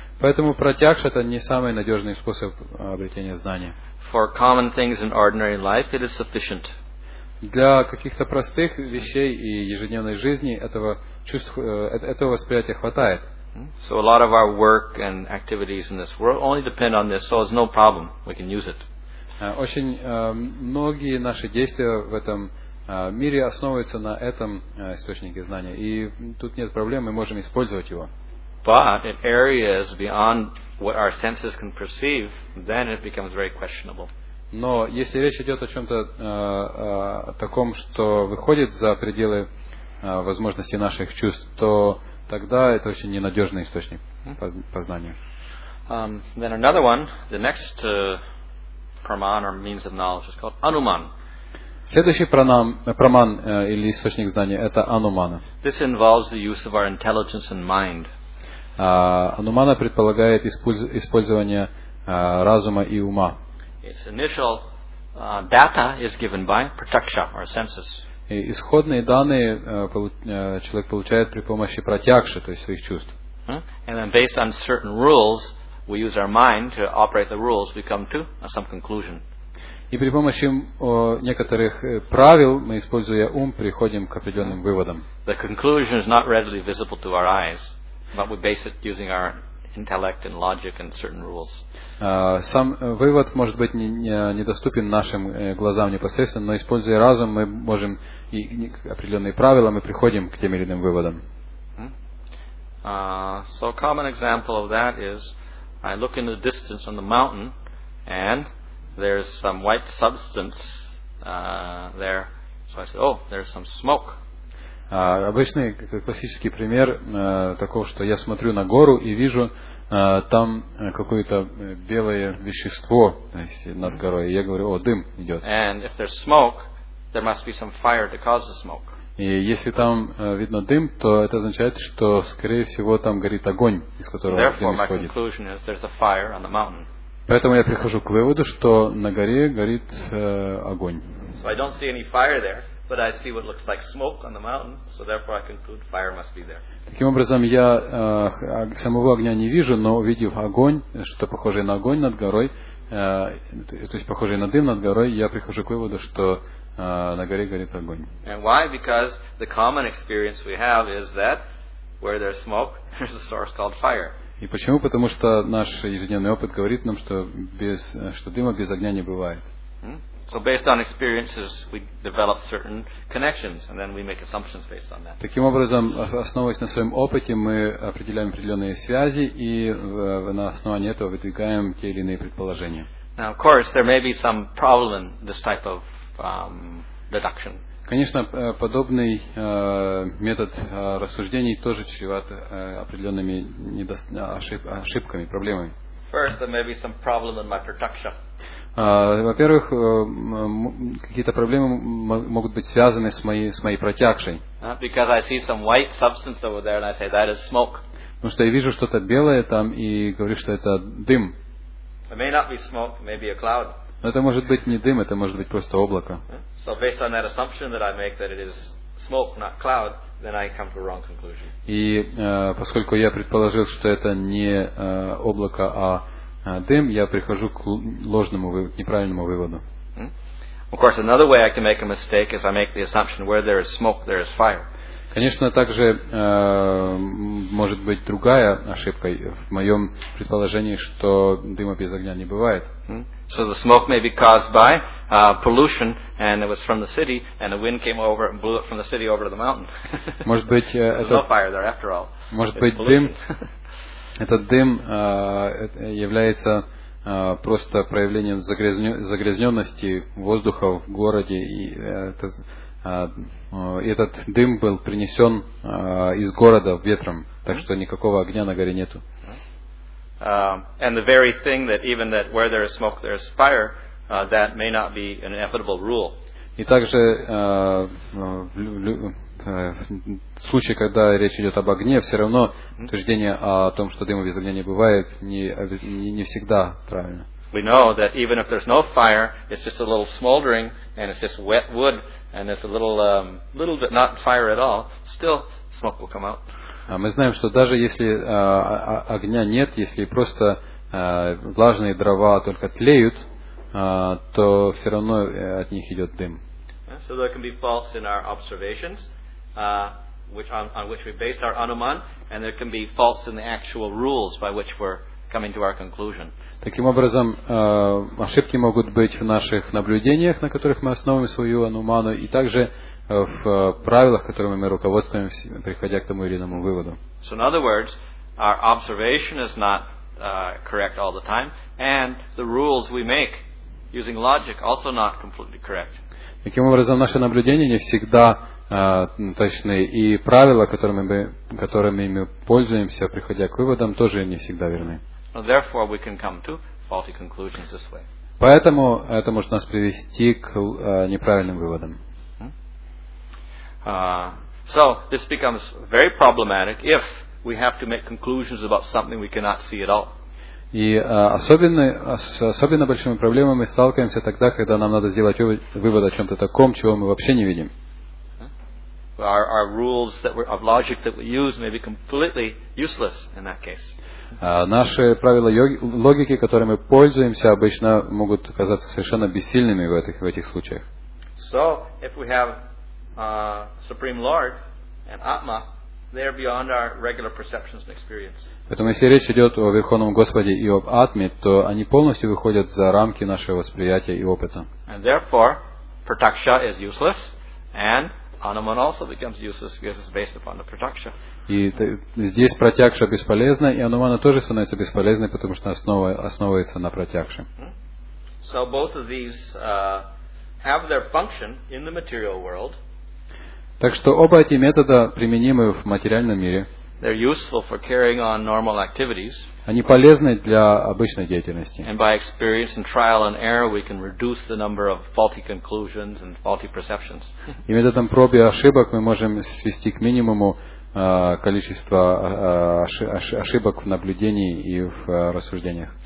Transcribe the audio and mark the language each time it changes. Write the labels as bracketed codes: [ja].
[ru] Поэтому пратьякша — это не самый надежный способ обретения знания. [en] For common things in ordinary life, it is sufficient. [ru] Для каких-то простых вещей и ежедневной жизни этого этого восприятия хватает. [en] So a lot of our work and activities in this world only depend on this, so it's no problem. We can use it. [ru] Очень многие наши действия в этом мире основываются на этом источнике знания, и тут нет проблем, мы можем использовать его. [en] But in areas beyond what our senses can perceive, then it becomes very questionable. [ru] Но если речь идет о чем-то таком, что выходит за пределы возможностей наших чувств, то тогда это очень ненадежный источник познания. [en] Then another one, the next praman or means of knowledge is called anuman. [ru] Следующий праман или источник знания — это анумана. [en] This involves the use of our intelligence and mind. [ru] Анумана предполагает использование разума и ума. [en] Its initial data is given by pratyaksha or senses. [ru] И исходные данные человек получает при помощи пратьякши, то есть своих чувств. [en] And then based on certain rules, we use our mind to operate the rules, we come to some conclusion. [ru] И при помощи некоторых правил, мы, используя ум, приходим к определенным выводам. [en] The conclusion is not readily visible to our eyes, but we base it using our intellect and logic and certain rules. [ru] Сам вывод может быть недоступен нашим глазам непосредственно, но используя разум, мы можем и определенные правила, мы приходим к тем или иным выводам. [en] So a common example of that is I look in the distance on the mountain and there's some white substance there. So I say, oh, there's some smoke. [ru] Обычный классический пример такого, что я смотрю на гору и вижу там какое-то белое вещество, то есть над горой, и я говорю, о, дым идет. [en] And if there's smoke, there must be some fire to cause the smoke. [ru] И если там видно дым, то это означает, что, скорее всего, там горит огонь, из которого дым исходит. [en] Therefore, my conclusion is there's a fire on the mountain. [ru] Поэтому я прихожу к выводу, что на горе горит огонь. [en] So I don't see any fire there, but I see what looks like smoke on the mountain, so therefore I conclude fire must be there. [ru] Таким образом, я самого огня не вижу, но увидев огонь, что похожее на огонь над горой, то есть похожее на дым над горой, я прихожу к выводу, что на горе горит огонь. [en] And why? Because the common experience we have is that where there's smoke, there's a source called fire. [ru] И почему? Потому что наш ежедневный опыт говорит нам, что что дыма без огня не бывает. [en] So based on experiences, we develop certain connections, and then we make assumptions based on that. [ru] Таким образом, основываясь на своем опыте, мы определяем определенные связи, и на основании этого выдвигаем те или иные предположения. [en] Now, of course, there may be some problem in this type of deduction. [ru] Конечно, подобный метод рассуждений тоже чреват определенными ошибками, проблемами. [en] First, there may be some problem in my production. [ru] Во-первых, какие-то проблемы могут быть связаны с моей пратьякшей. [en] Because I see some white substance over there and I say that is smoke. [ru] Потому что я вижу что-то белое там и говорю, что это дым. [en] It may not be smoke, it may be a cloud. [ru] Но это может быть не дым, это может быть просто облако. [en] So based on that assumption that I make that it is smoke, not cloud, then I come to a wrong conclusion. [ru] И поскольку я предположил, что это не облако, а дым, я прихожу к ложному, неправильному выводу. [en] Of course, another way I can make a mistake is I make the assumption where there is smoke, there is fire. [ru] Конечно, также может быть другая ошибка в моем предположении, что дыма без огня не бывает. [en] So the smoke may be caused by pollution, and it was from the city, and a wind came over and blew it from the city over to the mountain. [ru] Может быть, [en] there's no fire there after all. [ru] Может быть, дым. Этот дым является просто проявлением загрязненности воздуха в городе, и этот дым был принесен из города ветром, так что никакого огня на горе нету. [en] And the very thing that even that where there is smoke there is fire, that may not be an inevitable rule. [ru] И также в случае, когда речь идет об огне, все равно утверждение о том, что дыма без огня не бывает, не всегда правильно. [en] We know that even if there's no fire, it's just a little smoldering, and it's just wet wood, and it's a little bit not fire at all, still smoke will come out. [ru] Мы знаем, что даже если огня нет, если просто влажные дрова только тлеют, то все равно от них идет дым. [en] So there can be faults in our observations. On which we based our anuman, and there can be faults in the actual rules by which we're coming to our conclusion. [ru] Таким образом, ошибки могут быть в наших наблюдениях, на которых мы основываем свою ануману, и также в правилах, которыми мы руководствуемся, приходя к тому или иному выводу. [en] So in other words, our observation is not correct all the time, and the rules we make Using logic also not completely correct. [ru] Таким образом, наши наблюдения не всегда точные, и правила, которыми мы пользуемся, приходя к выводам, тоже не всегда верны. [en] Therefore, we can come to faulty conclusions this way. [ru] Поэтому это может нас привести к неправильным выводам. [en] So this becomes very problematic if we have to make conclusions about something we cannot see at all. [ru] И особенно большими проблемами сталкиваемся тогда, когда нам надо сделать вывод о чем-то таком, чего мы вообще не видим. [en] Our rules that we, of logic that we use may be completely useless in that case. [ru] Наши правила логики, которыми мы пользуемся, обычно могут оказаться совершенно бессильными в этих случаях. [en] So if we have Supreme Lord and Atma, they are beyond our regular perceptions and experience. [ru] Поэтому если речь идет о Верховном Господе и об Атме, то они полностью выходят за рамки нашего восприятия и опыта. [en] And therefore, Pratyaksha is useless, and Anuman also becomes useless because it's based upon the Pratyaksha. [ru] И здесь Pratyaksha бесполезна, и Anumana тоже становится бесполезной, потому что основывается на Pratyaksha. [en] So both of these have their function in the material world. [ru] Так что оба эти метода применимы в материальном мире. [en] They're useful for carrying on normal activities. [ru] Они полезны для обычной деятельности. [en] And by experience and trial and error, we can reduce the number of faulty conclusions and faulty perceptions. [ru] И методом проб и ошибок мы можем свести к минимуму количество ошибок в наблюдении и в рассуждениях.